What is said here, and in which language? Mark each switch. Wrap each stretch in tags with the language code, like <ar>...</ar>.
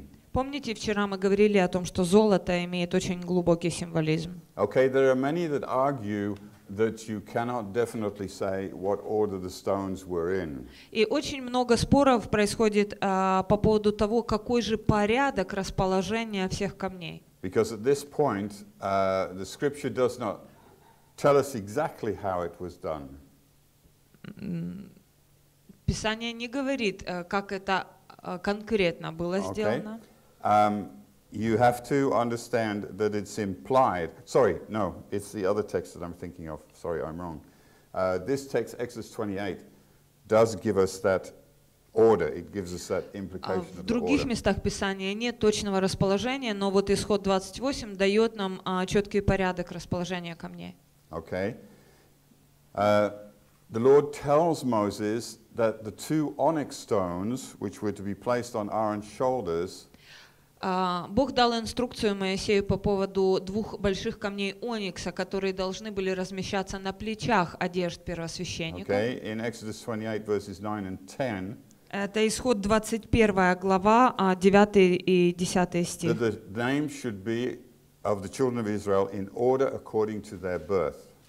<ru>Помните, вчера мы говорили о том, что золото имеет очень глубокий символизм.</ru> <en>Okay, there are many that argue that you cannot definitely say what order the stones were in.</en> <ru>И очень много споров происходит по поводу того, какой же порядок расположения всех камней.</ru> <en>Because at this point the scripture does not tell us exactly how it was done.</en> <ru>Писание не говорит, как это конкретно было сделано.</ru> <en>You have to understand that it's implied. Sorry, no, it's the other text that I'm thinking of. Sorry, I'm wrong. This text, Exodus 28, does give us that order. It gives us that implication of the order.</en> <ru>В других местах Писания нет точного расположения, но вот исход 28 дает нам четкий порядок расположения камней.</ru> <en>Okay. The Lord tells Moses that the two onyx stones, which were to be placed on Aaron's shoulders,</en> <ru>Бог дал инструкцию Моисею по поводу двух больших камней оникса, которые должны были размещаться на плечах одежд первосвященника.</ru> <en>Okay, in Exodus 28, verses 9 and 10.</en> <ru>Это исход 21 глава, 9 и 10 стих.</ru> <en>That the name should be of the children of Israel in order according to their birth.</en>